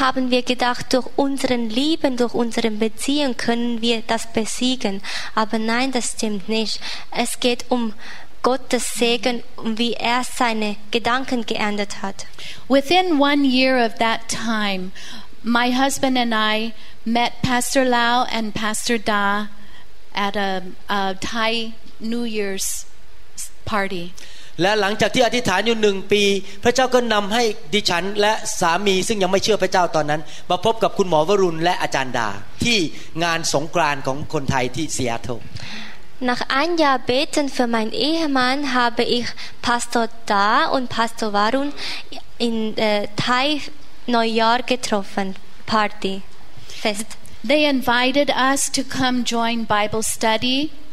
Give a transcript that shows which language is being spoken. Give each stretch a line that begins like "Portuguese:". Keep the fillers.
German: haben wir gedacht, durch unseren Lieben, durch unseren Beziehung können wir das besiegen. Aber nein, das stimmt nicht. Es geht um Gottes Segen und wie er seine Gedanken geändert hat.
English: Within one year of that time, my husband and I met Pastor Lau and Pastor Da at a, a Thai New Year's party.
Thai: และหลังจากที่อธิษฐานอยู่หนึ่งปี พระเจ้าก็นําให้ดิฉัน และสามีซึ่งยังไม่เชื่อพระเจ้าตอนนั้นมาพบกับคุณหมอวรุณ และอาจารย์ดาที่งานสงกรานของคนไทยที่เซียโต
German: Nach ein Jahr Beten für meinen Ehemann habe ich Pastor Da und Pastor Warun in äh, Thai Neujahr getroffen, Party, Fest.
English: They invited us to come join Bible study.